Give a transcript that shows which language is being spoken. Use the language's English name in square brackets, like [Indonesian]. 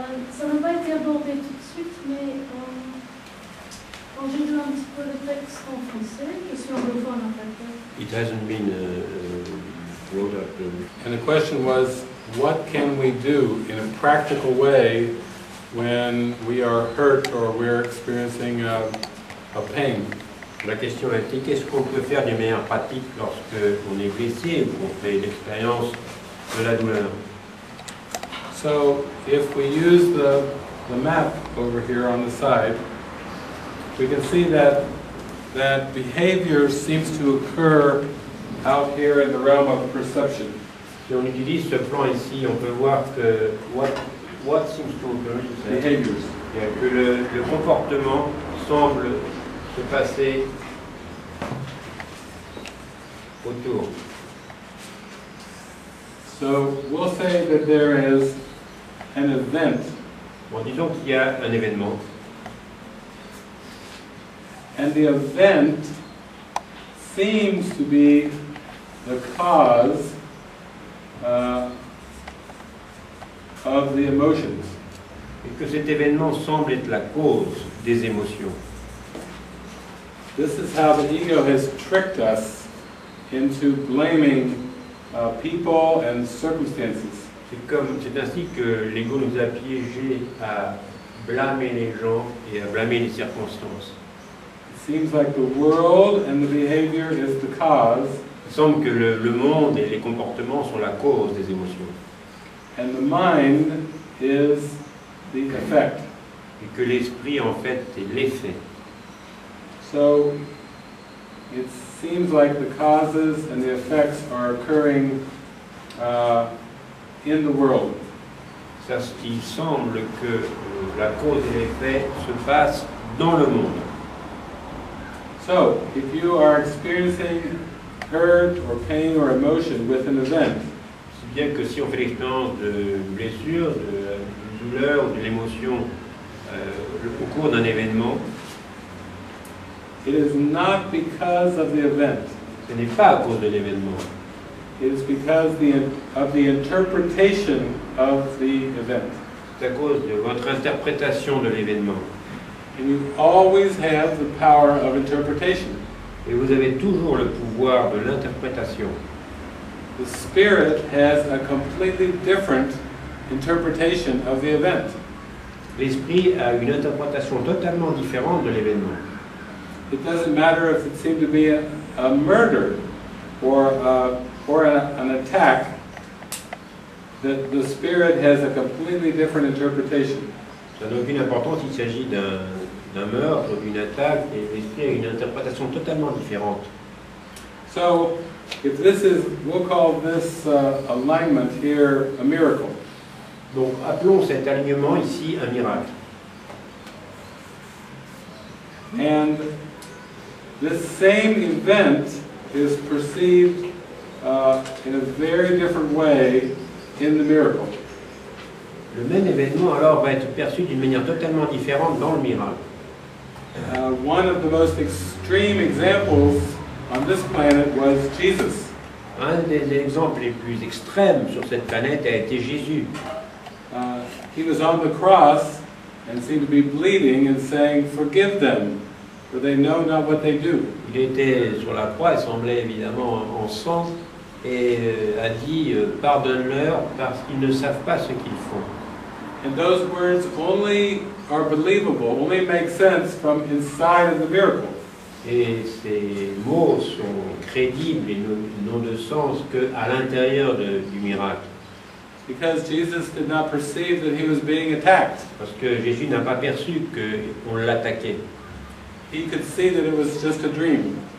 [French] Ça n'a pas été abordé tout de suite, mais quand j'ai lu un petit peu le texte en français, je suis anglophone en fait. [English] It hasn't been brought up. And the question was, what can we do in a practical way when we are hurt or we're experiencing a pain? [French] La question était, qu'est-ce qu'on peut faire de manière pratique lorsque on est blessé ou qu'on fait l'expérience de la douleur? [English] So, if we use the map over here on the side, we can see that behavior seems to occur out here in the realm of perception. [French] Si on utilise ce plan ici, on peut voir que [English] what seems to occur, behaviors. [French] Yeah, que le comportement semble se passer autour. [English] So we'll say that there is an event. [French] Bon, disons qu'il y a un événement. [English] And the event seems to be the cause of the emotions. [French] Et que cet événement semble être la cause des émotions. [English] This is how the ego has tricked us into blaming people and circumstances. [French] C'est ainsi que l'ego nous a piégés à blâmer les gens et à blâmer les circonstances. [English] It seems like the world and the behavior is the cause. [French] Il semble que le monde et les comportements sont la cause des émotions. [English] And the mind is the effect. [French] Et que l'esprit, en fait, est l'effet. [English] So it seems like the causes and the effects are occurring in the world. [French] Ça, il semble que la cause et l'effet se passent dans le monde. [English] So if you are experiencing hurt or pain or emotion with an event, [French] si bien que si on fait l'expérience de blessure, de douleur ou de l'émotion au cours d'un événement. [English] It is not because of the event. [French] Ce n'est pas à cause de l'événement. [English] It is because of the interpretation of the event. [French] C'est à cause de votre interprétation de l'événement. [English] And you always have the power of interpretation. [French] Et vous avez toujours le pouvoir de l'interprétation. [English] The spirit has a completely different interpretation of the event. [French] L'esprit a une interprétation totalement différente de l'événement. [English] It doesn't matter if it seemed to be a murder or an attack. The spirit has a completely different interpretation. [French] Ça n'a aucune importance s'il s'agit d'un meurtre, d'une attaque, et l'esprit a une interprétation totalement différente. [English] So, if this is, we'll call this alignment here a miracle. [French] Donc, appelons cet alignement ici un miracle. [English] And this same event is perceived in a very different way in the miracle. [French] Le même événement alors va être perçu d'une manière totalement différente dans le miracle. [English] One of the most extreme examples on this planet was Jesus. [French] Un des exemples les plus extrêmes sur cette planète a été Jésus. [English] He was on the cross and seemed to be bleeding and saying, "Forgive them. For they know not what they do." [French] Il était sur la croix, il semblait évidemment en sang, et a dit, pardonne-leur parce qu'ils ne savent pas ce qu'ils font. [English] And those words only are believable, only make sense from inside of the miracle. [French] Et ces mots sont crédibles et n'ont de sens qu'à l'intérieur du miracle. [English] Because Jesus did not perceive that he was being attacked. [French] Parce que Jésus n'a pas perçu qu'on l'attaquait. [English] He could see that it was just a dream.